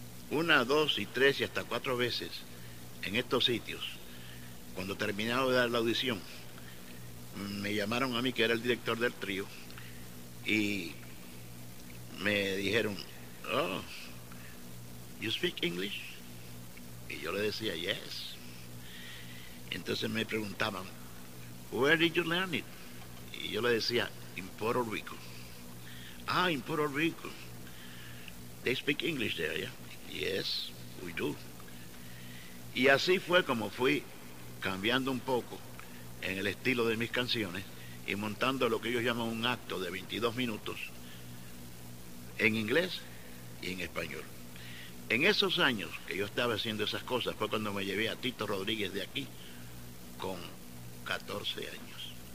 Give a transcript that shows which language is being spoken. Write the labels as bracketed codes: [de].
[es] Una, dos y tres y hasta cuatro veces en estos sitios, cuando terminaba de dar la audición, me llamaron a mí, que era el director del trío, y me dijeron, [en] oh, you speak English? [es] Y yo le decía, [en] yes. [es] Entonces me preguntaban, [en] where did you learn it? [es] Y yo le decía, [en] in Puerto Rico. Ah, in Puerto Rico. They speak English there, yeah? Yes, we do. [es] Y así fue como fui cambiando un poco en el estilo de mis canciones y montando lo que ellos llaman un acto de 22 minutos en inglés y en español. En esos años que yo estaba haciendo esas cosas fue cuando me llevé a Tito Rodríguez de aquí con 14 años.